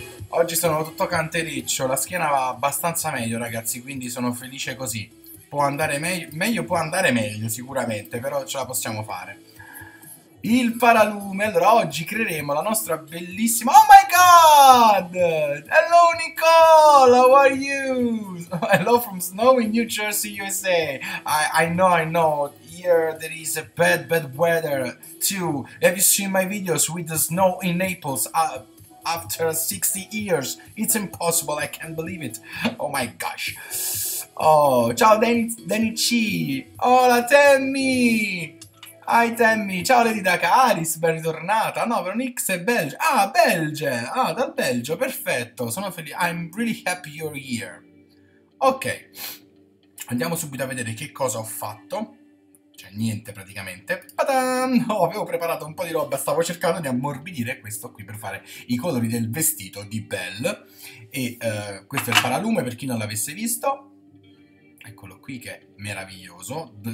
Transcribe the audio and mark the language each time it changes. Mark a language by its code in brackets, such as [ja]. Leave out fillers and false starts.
[it] Oggi sono tutto cantericcio, la schiena va abbastanza meglio ragazzi, quindi sono felice così. Può andare meglio, può andare meglio sicuramente, però ce la possiamo fare. Il paralume, allora oggi creeremo la nostra bellissima... [en] Oh my god! Hello Nicole, how are you? Hello from snowy New Jersey, USA. I know, here there is a bad weather too. Have you seen my videos with the snow in Naples? After 60 years, it's impossible, I can't believe it. Oh my gosh. Oh, [it] ciao [en] Danny C. Hola Tammy. Hi Tammy. Ciao Lady Daka. [it] Aris, ben ritornata. No, Veronix è Belgio. Ah, Belgio. Ah, dal Belgio, perfetto. Sono felice. [en] I'm really happy you're here. Ok. [it] Andiamo subito a vedere che cosa ho fatto. Cioè, niente praticamente. Ta-dan! Oh, avevo preparato un po' di roba, stavo cercando di ammorbidire questo qui per fare i colori del vestito di Belle. E questo è il paralume, per chi non l'avesse visto. Eccolo qui, che è meraviglioso.